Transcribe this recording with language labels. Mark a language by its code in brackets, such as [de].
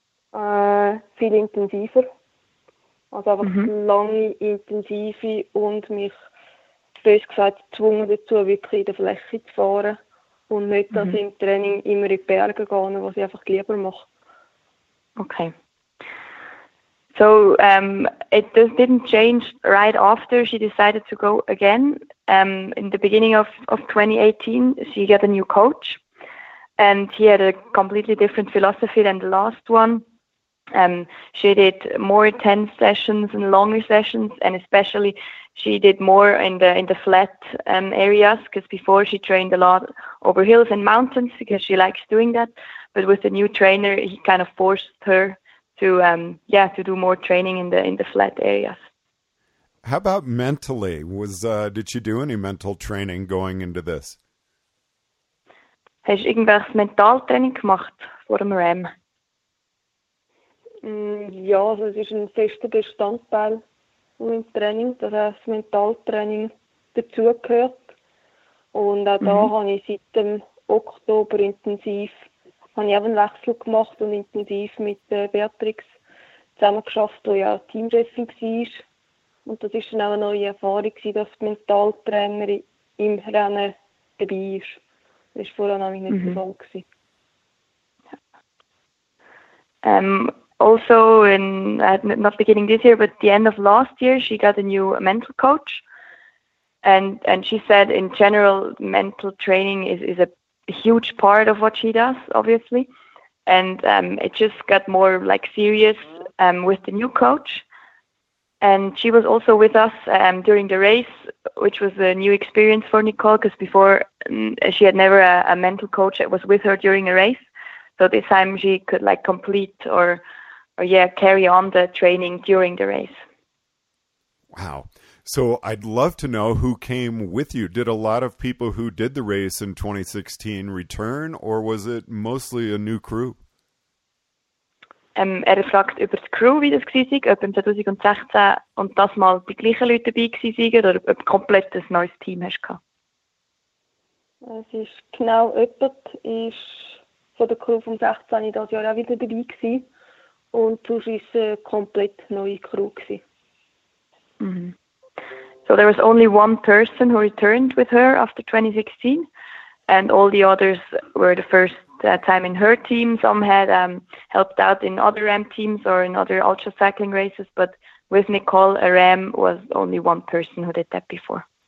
[de] Viel intensiver. Also einfach lange, intensive und mich, bös gesagt, gezwungen dazu, wirklich in der Fläche zu fahren und nicht, dass ich im Training immer in die Berge gehe, was ich einfach lieber mache. Okay. [en] So, it didn't change right after she decided to go again. In the beginning of 2018, she got a new coach and he had a completely different philosophy than the last one. She did more intense sessions and longer sessions, and especially she did more in the flat areas, because before she trained a lot over hills and mountains because she likes doing that. But with the new trainer, he kind of forced her to do more training in the flat areas. How about mentally? Did she do any mental training going into this? [de] Hast du irgendwelches Mentaltraining gemacht vor dem REM? Ja, also es ist ein fester Bestandteil im Training, dass auch das Mentaltraining dazugehört. Und auch da habe ich seit dem Oktober einen Wechsel gemacht und intensiv mit Beatrix zusammengeschafft, die ja Teamchefin war. Und das war dann auch eine neue Erfahrung gewesen, dass die Mentaltrainerin im Rennen dabei ist. Das war vorher noch nicht der Fall. [en] Also, not beginning this year, but the end of last year, she got a new mental coach. And she said, in general, mental training is a huge part of what she does, obviously. And it just got more like serious with the new coach. And she was also with us during the race, which was a new experience for Nicole, because before she had never a mental coach that was with her during a race. So this time she could like complete carry on the training during the race. Wow. So I'd love to know who came with you. Did a lot of people who did the race in 2016 return, or was it mostly a new crew? [de] Er fragt über die Crew, wie das war, ob im 2016 und das mal die gleichen Leute dabei waren oder ob komplett ein neues Team hast. Es ist genau jemand, ist von der Crew vom 16 in das Jahr auch wieder dabei gewesen. Und sonst war es eine komplett neue Crew. Mhm. [en] So there was only one person who returned with her after 2016 and all the others were the first time in her team. Some had helped out in other Ram teams or in other ultra cycling races, but with Nicole, a Ram was only one person who did that before.